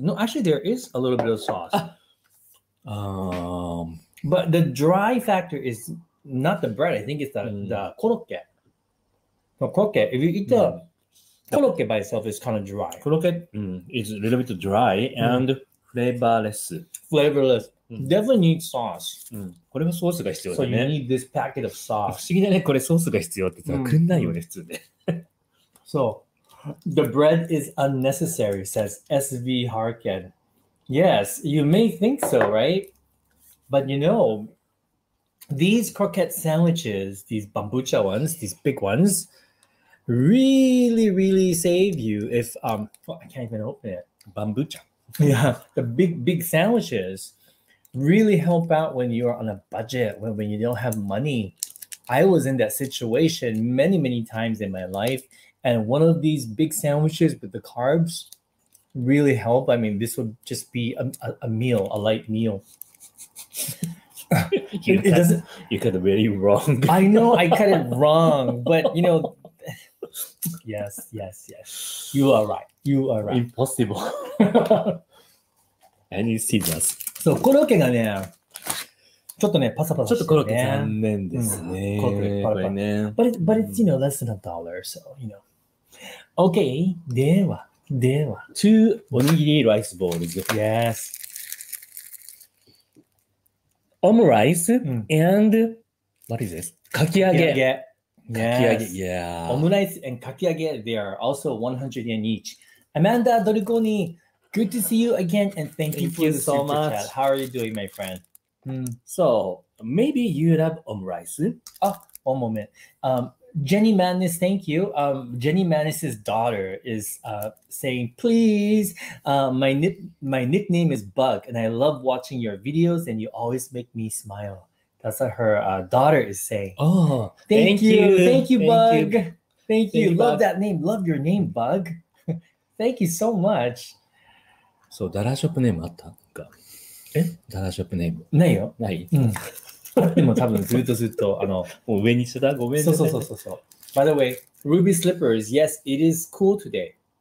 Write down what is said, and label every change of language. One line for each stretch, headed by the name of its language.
English: No, actually, there is a little bit of sauce. But the dry factor is not the bread. I think it's the korokke. Korokke, if you eat the korokke by itself, it's kind of dry. Korokke is a little bit dry and flavorless. Flavorless. Definitely need sauce.
Japanese: これもソースが必要だね。
English: So you need this packet of sauce.
Japanese: 不思議だね、これソースが必要って言ったら、くんないよね、普通で。
English: So, the bread is unnecessary, says SV Harken. Yes, you may think so, right? But you know, these croquette sandwiches, these bambucha ones, these big ones, really, really save you if, I can't even open it. Bambucha. Yeah, the big, big sandwiches really help out when you are on a budget, when you don't have money. I was in that situation many, many times in my life. And one of these big sandwiches with the carbs really help. I mean, this would just be a meal, a light meal. You cut it really wrong. I know I cut it wrong, but you know, yes, yes, yes. You are right. You are right. Impossible. And you see this.
Japanese: So, korokke がね、ちょっとね、パサパサしてね。ちょっとコロッケ残念ですね。これね。
English: But it's, you know, less than a dollar, so, you know.
Japanese: Okay, では、では。
English: Two おにぎりライスボールズ。 Yes. Omurice and, what is this? Kaki
Japanese: 揚げ。
English: Kaki 揚げ、yeah. Omurice and kaki 揚げ, they are also 100 yen each. Amanda Dorigoni. Good to see you again, and thank you so much. Chat. How are you doing, my friend? So, maybe you love omurice. Oh, one moment. Jenny Madness, thank you. Jenny Madness's daughter is saying, please, my nickname is Bug, and I love watching your videos, and you always make me smile. That's what her daughter is saying. Oh, thank you. Thank you, Bug. Thank you. Love Bug. That name. Love your name, Bug. Thank you so much.
Japanese: そう、ダラショップネームあったか。え？ダラショップネーム。ないよ。ない。でも多分ずっとずっと、もう上にしてた？ごめんね。そう。
English: By the way, Ruby Slippers, yes, it is cool today.